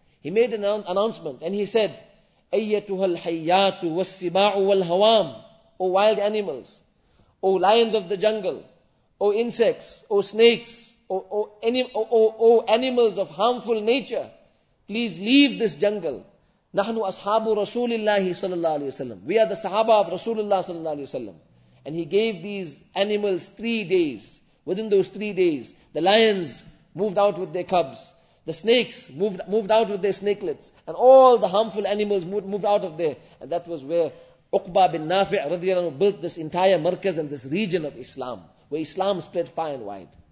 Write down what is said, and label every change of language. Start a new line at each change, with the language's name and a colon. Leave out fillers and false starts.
English: He made an announcement and he said,
Arabic: أَيَّتُهَا الْحَيَّاتُ وَالسِّبَاعُ وَالْهَوَامُ
English: O wild animals, O lions of the jungle, O insects, O snakes, O animals of harmful nature, please leave this jungle.
Arabic: نَحْنُ أَصْحَابُ رَسُولِ اللَّهِ صَلَى اللَّهُ عَلَيْهِ وَسَلَّمُ
English: We are the Sahaba of Rasulullah
Arabic: صلى الله عليه وسلم.
English: And he gave these animals 3 days. Within those 3 days, the lions moved out with their cubs. The snakes moved out with their snakelets. And all the harmful animals moved out of there. And that was where Uqba bin Nafi' radiallahu anhu built this entire markaz and this region of Islam, where Islam spread far and wide.